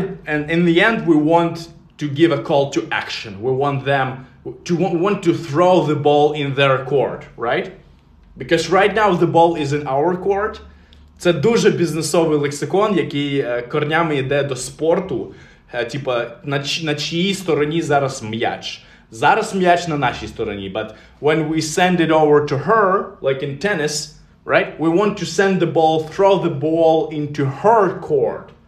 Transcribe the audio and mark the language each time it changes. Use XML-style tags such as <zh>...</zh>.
<en>And in the end we want to give a call to action. We want them to want to throw the ball in their court, right? Because right now the ball is in our court.</en> <uk>Це дуже бізнесовий лексикон, який корнями йде до спорту. Типа, на чиїй стороні зараз м'яч? Зараз м'яч на нашій стороні.</uk> <en>But when we send it over to her, like in tennis, right? We want to send the ball, throw the ball into her court.</en>